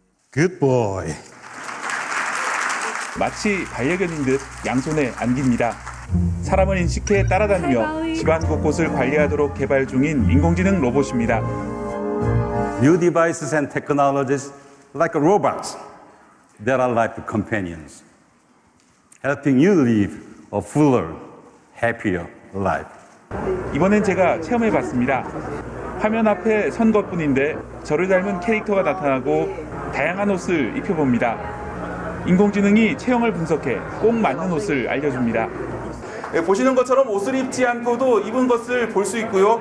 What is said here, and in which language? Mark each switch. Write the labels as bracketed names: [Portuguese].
[English] Good boy. [Korean] 마치 반려견인 듯 양손에 안깁니다. 사람을 인식해 따라다니며 집안 곳곳을 관리하도록 개발 중인 인공지능 로봇입니다. [English] New devices and technologies like robots. that are life companions, helping you live a fuller, happier life. [Korean] 이번엔 제가 체험해봤습니다. 화면 앞에 선 것뿐인데 저를 닮은 캐릭터가 나타나고 다양한 옷을 입혀봅니다. 인공지능이 체형을 분석해 꼭 맞는 옷을 알려줍니다. 예, 보시는 것처럼 옷을 입지 않고도 입은 것을 볼 수 있고요.